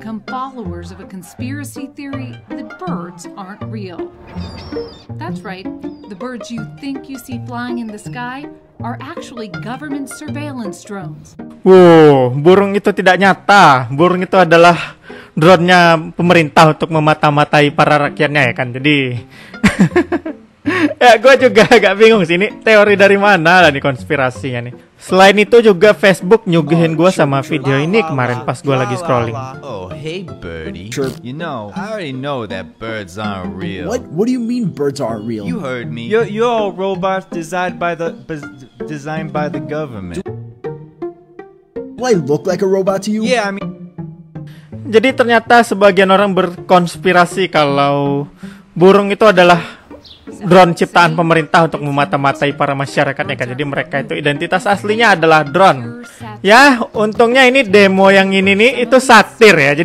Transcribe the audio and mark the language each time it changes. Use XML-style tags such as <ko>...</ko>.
<en>Followers of a conspiracy theory that birds aren't real. That's right, the birds you think you see flying in the sky are actually government surveillance drones.</en> <id>Burung itu tidak nyata. Burung itu adalah drone-nya pemerintah untuk memata-matai para rakyatnya ya kan. Jadi ya, gue juga agak bingung sih, ini teori dari mana lah nih konspirasinya nih. Selain itu juga Facebook nyuguhin gue sama video ini kemarin pas gue lagi scrolling.</id> <en>Oh hey birdie, chirp. You know, I already know that birds aren't real. What do you mean birds aren't real? You heard me. You're all robots designed by the government. Do I look like a robot to you? Yeah, I mean.</en> <id>Jadi ternyata sebagian orang berkonspirasi kalau burung itu adalah drone ciptaan pemerintah untuk memata-matai para masyarakatnya kan. Jadi mereka itu identitas aslinya adalah drone. Ya, untungnya ini demo yang ini nih itu satir ya.</id>